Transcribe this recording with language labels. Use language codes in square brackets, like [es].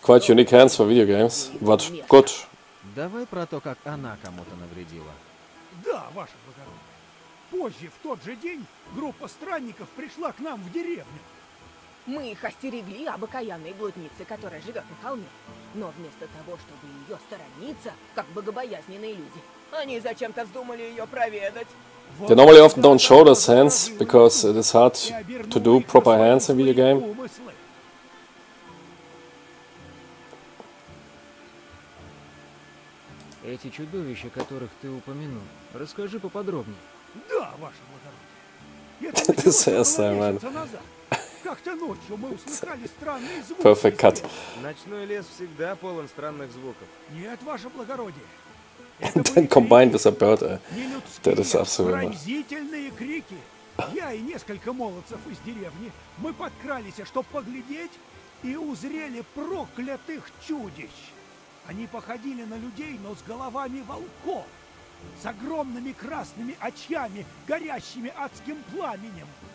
[en] Quite unique hands for video games, but good. [ru] Давай про то, как она кому-то навредила. Да, ваше благородие. Позже, в тот же день, группа странников пришла к нам в деревню. Мы их остерегли об окаянной блуднице, которая живет на холме. Но вместо того, чтобы ее сторониться, как богобоязненные люди, они зачем-то вздумали ее проведать. [en] They normally often don't show those hands, because it is hard to do proper hands in video game. [ru] Эти чудовища, которых ты упомянул, расскажи поподробнее. Да, ваше благородие. [en] This hairstyle, man. [ru] Как-то ночью мы услыхали странные звуки. [en] Perfect cut. [ru] Ночной лес всегда полон странных звуков. Нет, ваше благородие. [en] And then combined with a bird, that is absolutely... [ru] Пронзительные крики. Я и несколько молодцев из деревни. Мы подкрались, чтобы поглядеть, и узрели проклятых чудищ. Они походили на людей, но с головами волков. С огромными красными очами, горящими адским пламенем.